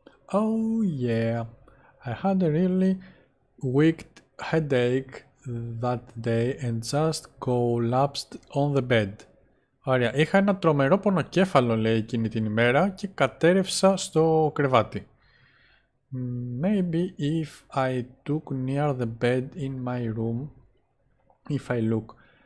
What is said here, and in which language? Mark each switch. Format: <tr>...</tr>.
<en>Oh yeah, I had a really weak headache that day and just collapsed on the bed.</en> <el>Ωραία, είχα ένα τρομερό πονοκέφαλο, λέει, εκείνη την ημέρα και κατέρευσα στο κρεβάτι.</el> <en>Maybe if I took near the bed in my room, if I look.</en>